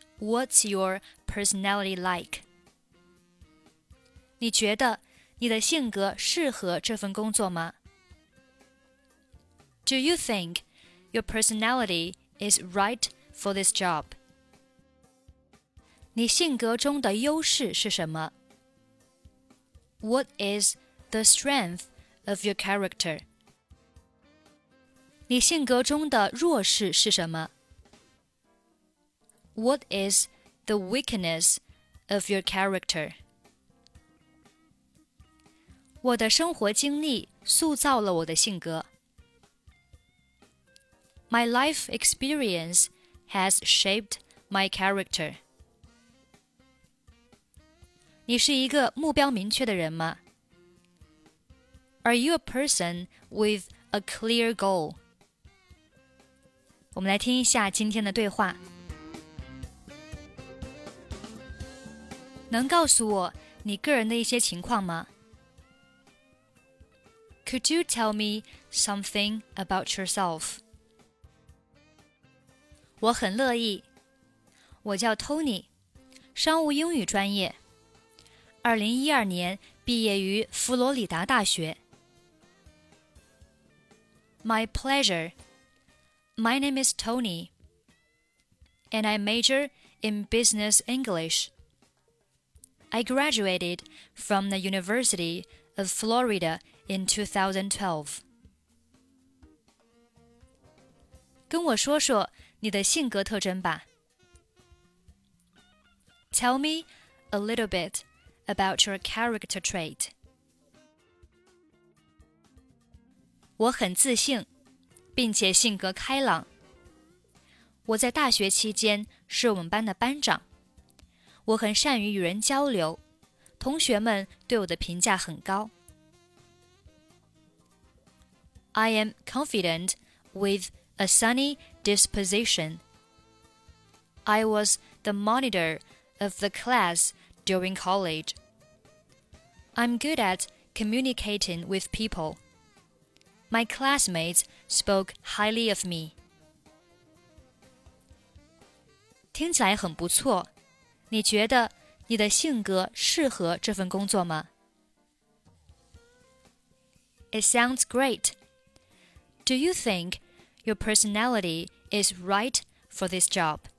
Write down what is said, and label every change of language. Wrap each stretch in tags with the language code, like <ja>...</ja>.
<en>What's your personality like?</en> <zh>你觉得你的性格适合这份工作吗？</zh> <en>Do you think your personality is right for this job?</en> <zh>你性格中的优势是什么？</zh> <en>What is the strength of your character?</en> <zh>你性格中的弱势是什么？</zh> <en>What is the weakness of your character?</en> <zh>我的生活经历塑造了我的性格。</zh> <en>My life experience has shaped my character.</en> <zh>你是一个目标明确的人吗？</zh> <en>Are you a person with a clear goal?</en> <zh>我们来听一下今天的对话。能告诉我你个人的一些情况吗？</zh> <en>Could you tell me something about yourself?</en> <zh>我很乐意。我叫 Tony, 商务英语专业。2012年毕业于佛罗里达大学。</zh> <en>My pleasure. My name is Tony, and I major in business English. I graduated from the University of Florida in 2012.</en> <zh>跟我说说你的性格特征吧。</zh> <en>Tell me a little bit about your character trait.</en> <zh>我很自信。并且性格开朗。我在大学期间是我们班的班长。我很善于与人交流，同学们对我的评价很高。</zh> <en>I am confident with a sunny disposition. I was the monitor of the class during college. I'm good at communicating with people. My classmates spoke highly of me.</en> <zh>听起来很不错。你觉得你的性格适合这份工作吗？</zh> <en>It sounds great. Do you think your personality is right for this job?</en>